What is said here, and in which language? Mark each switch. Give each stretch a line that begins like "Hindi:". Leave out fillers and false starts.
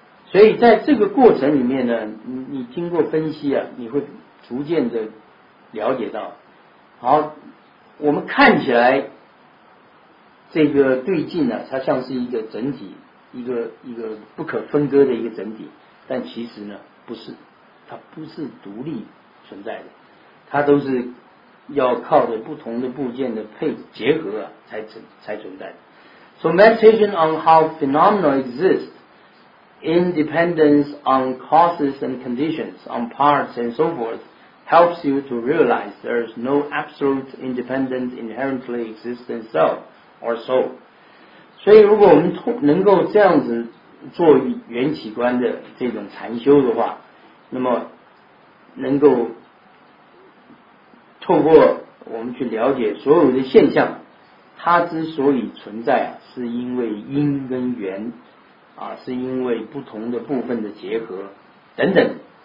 Chinese: 所以在这个过程里面呢，你经过分析啊，你会逐渐的了解到，好，我们看起来这个对镜呢、啊，它像是一个整体，一个不可分割的一个整体，但其实呢，不是，它不是独立存在的，它都是要靠着不同的部件的配结合啊，才存在的。
English: So meditation on how phenomena exist, independence on causes and conditions, on parts and so forth, helps you to realize there is no absolute independent inherently existent self or soul.
Chinese: 所以如果我们能够这样子做缘起观的这种禅修的话，那么能够透过我们去了解所有的现象它之所以存在啊，是因为因跟缘，啊，是因为不同的部分的结合等等。